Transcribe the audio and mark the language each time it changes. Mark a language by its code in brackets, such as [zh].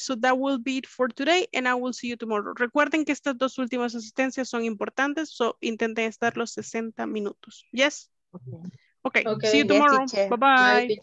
[en] So that will be it for today and I will see you tomorrow. [es] Recuerden que estas dos últimas asistencias son importantes, so intenten estar los 60 minutos. [en] Yes? Okay. Okay. See you tomorrow. Yes, bye-bye.